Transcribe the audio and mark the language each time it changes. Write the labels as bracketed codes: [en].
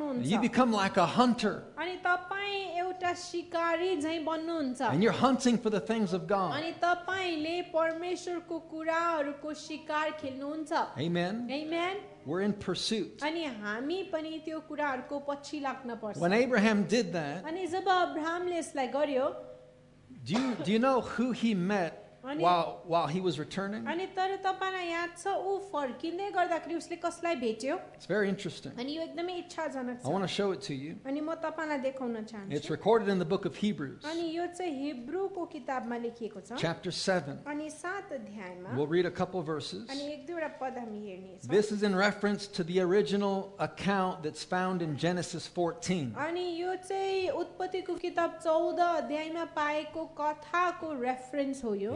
[en] You become like a hunter. And you're hunting for the things of God. Amen. Amen. We're in pursuit. [ne] अनि हामी पनि त्यो कुराहरुको पछि लाग्न पर्छ. [en] When Abraham did that, [ne] अनि जब अब्राहमले यसलाई गर्यो, [en] do you know who he met while he was returning? [ne] अनि तर तपाईलाई याद छ उ फर्किँदै गर्दाखेरि उसले कसलाई भेट्यो? [en] It's very interesting. [ne] अनि यो एकदमै इच्छाजनक छ. [en] I want to show it to you. [ne] अनि म तपाईलाई देखाउन चाहन्छु. [en] It's recorded in the book of Hebrews. [ne] अनि यो चाहिँ हिब्रूको किताबमा लेखिएको छ. [en] Chapter 7. [ne] अनि 7 अध्यायमा. [en] We'll read a couple of verses. [ne] अनि एक दुईवटा पद हामी हेर्ने छौं. [en] This is in reference to the original account that's found in Genesis 14. [ne] अनि यो चाहिँ उत्पत्तिको किताब 14 अध्यायमा पाएको कथाको रेफरेंस हो यो.